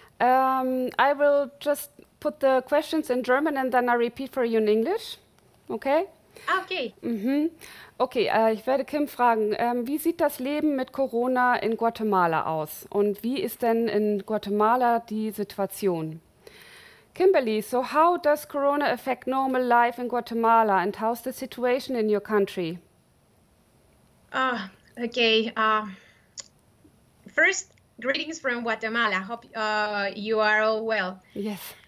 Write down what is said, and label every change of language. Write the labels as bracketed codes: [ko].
[en] I will just put the questions in German and then I repeat for you in English. Okay? Okay. Mm-hmm. [de] Okay, ich werde Kim fragen, wie sieht das Leben mit Corona in Guatemala aus? Und wie ist denn in Guatemala die Situation? [en] Kimberly, so how does Corona affect normal life in Guatemala and how's the situation in your country? First, greetings from Guatemala. I hope you are all well. Yes.